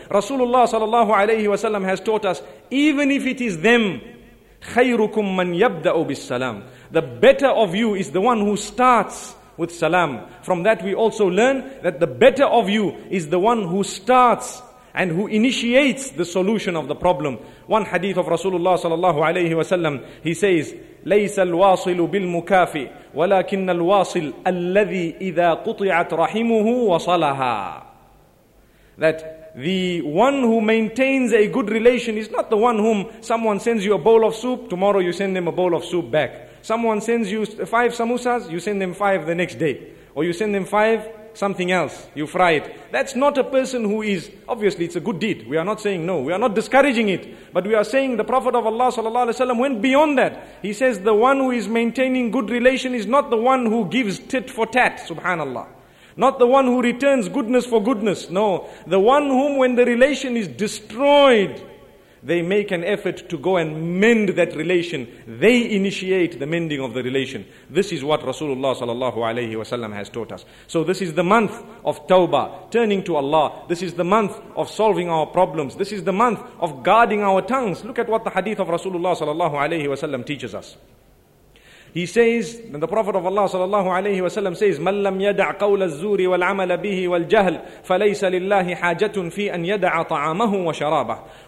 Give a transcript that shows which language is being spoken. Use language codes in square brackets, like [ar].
[en] Rasulullah sallallahu alayhi wasallam has taught us, even if it is them, [ar] خَيْرُكُمْ مَنْ يَبْدَأُ بِالسَّلَامِ. [en] The better of you is the one who starts with salam. From that we also learn that the better of you is the one who starts and who initiates the solution of the problem. One hadith of Rasulullah sallallahu alayhi wasallam, he says, [ar] لَيْسَ الْوَاصِلُ بِالْمُكَافِ وَلَكِنَّ الْوَاصِلُ الَّذِي إِذَا قُطِعَتْ رَحِمُهُ وَصَلَهَا. [en] That the one who maintains a good relation is not the one whom someone sends you a bowl of soup, tomorrow you send them a bowl of soup back. Someone sends you 5 samosas, you send them 5 the next day. Or you send them 5 something else, you fry it. That's not a person who is, obviously it's a good deed. We are not saying no, we are not discouraging it. But we are saying the Prophet of Allah sallallahu alaihi wasallam went beyond that. He says the one who is maintaining good relation is not the one who gives tit for tat, subhanallah. Not the one who returns goodness for goodness. No, the one whom when the relation is destroyed, they make an effort to go and mend that relation. They initiate the mending of the relation. This is what Rasulullah sallallahu alayhi wasallam has taught us. So this is the month of tawbah, turning to Allah. This is the month of solving our problems. This is the month of guarding our tongues. Look at what the hadith of Rasulullah sallallahu alayhi wasallam teaches us. He says, and the Prophet of Allah sallallahu alayhi wasallam says, [ar] مَنْ لَمْ يَدَعْ قَوْلَ الزُّورِ وَالْعَمَلَ بِهِ وَالْجَهْلِ فَلَيْسَ لِلَّهِ حَاجَةٌ فِي أَنْ يَدَعَ طَعَامَهُ وَشَرَابَهُ.